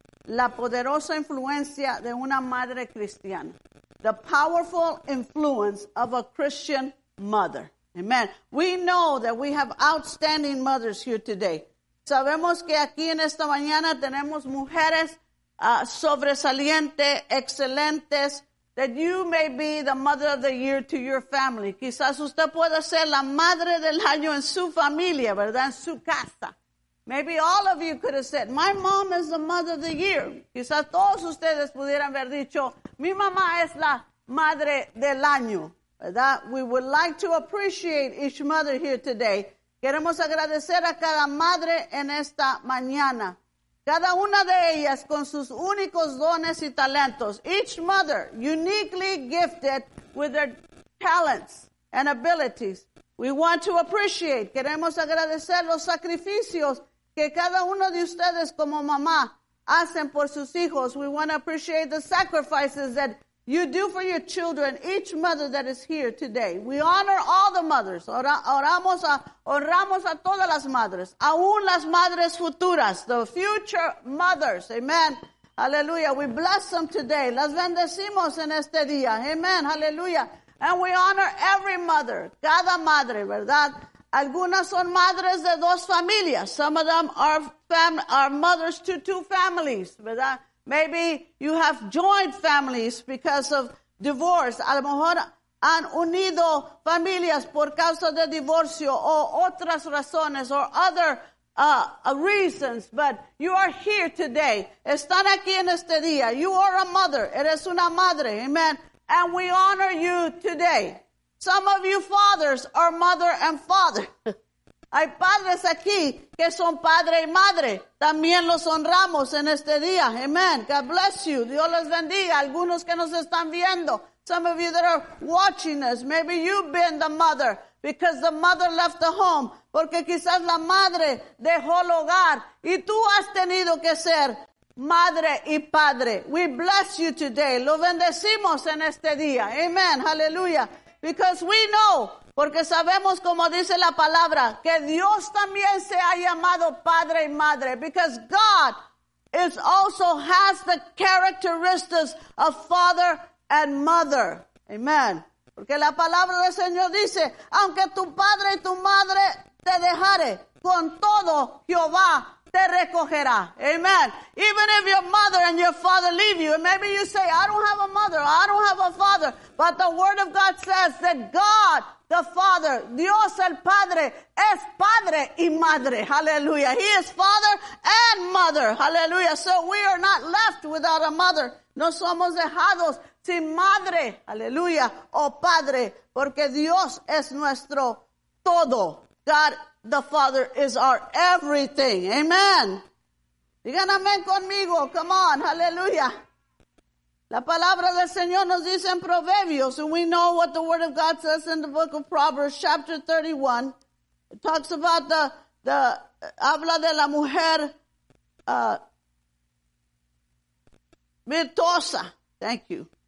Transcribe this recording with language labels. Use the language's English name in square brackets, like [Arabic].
[Spanish] La poderosa influencia de una madre cristiana. [English] The powerful influence of a Christian mother. Amen. We know that we have outstanding mothers here today. [Spanish] Sabemos que aquí en esta mañana tenemos mujeres sobresalientes, excelentes, [English] that you may be the mother of the year to your family. [Spanish] Quizás usted pueda ser la madre del año en su familia, ¿verdad? En su casa. [English] Maybe all of you could have said, my mom is the mother of the year. [Spanish] Quizás todos ustedes pudieran haber dicho, mi mamá es la madre del año. ¿Verdad? [English] We would like to appreciate each mother here today. [Spanish] Queremos agradecer a cada madre en esta mañana. Cada una de ellas con sus únicos dones y talentos. [English] Each mother uniquely gifted with their talents and abilities. We want to appreciate. [Spanish] Queremos agradecer los sacrificios que cada uno de ustedes como mamá hacen por sus hijos. [English] We want to appreciate the sacrifices that you do for your children, each mother that is here today. We honor all the mothers. [Spanish] Honramos a todas las madres, aún las madres futuras, [English] the future mothers. [Spanish] Amen. Hallelujah. [English] We bless them today. [Spanish] Las bendecimos en este día. Amen. Hallelujah. [English] And we honor every mother, [Spanish] cada madre, ¿verdad? Algunas son madres de dos familias. [English] Some of them are mothers to two families, [Spanish] ¿verdad? [English] Maybe you have joined families because of divorce. [Spanish] A lo mejor han unido familias por causa de divorcio o otras razones [English] or other reasons. But you are here today. [Spanish] Están aquí en este día. [English] You are a mother. [Spanish] Eres una madre. [English] Amen. And we honor you today. Some of you fathers are mother and father. [Spanish] Hay padres aquí que son padre y madre. También los honramos en este día. Amen. [English] God bless you. [Spanish] Dios les bendiga. Algunos que nos están viendo. [English] Some of you that are watching us. Maybe you've been the mother because the mother left the home. [Spanish] Porque quizás la madre dejó el hogar. Y tú has tenido que ser madre y padre. [English] We bless you today. [Spanish] Lo bendecimos en este día. Amen. Hallelujah. [English] Because we know. [Spanish] Porque sabemos, como dice la palabra, que Dios también se ha llamado padre y madre. [English] Because God is also has the characteristics of father and mother. Amen. [Spanish] Porque la palabra del Señor dice, aunque tu padre y tu madre te dejare, con todo Jehová te recogerá. Amen. [English] Even if your mother and your father leave you, and maybe you say, I don't have a mother, I don't have a father. But the word of God says that God, the Father, [Spanish] Dios el Padre, es padre y madre. [English] Hallelujah. He is father and mother. Hallelujah. So we are not left without a mother. [Spanish] No somos dejados sin madre. Hallelujah. O padre. Porque Dios es nuestro todo. [English] God the Father is our everything. [Spanish] Amen. Digan amén conmigo. [English] Come on. [Spanish] Hallelujah. La palabra del Señor nos dice en Proverbios, [English] and we know what the Word of God says in the book of Proverbs, chapter 31. It talks about the [Spanish] habla de la mujer virtuosa. [English] Thank you.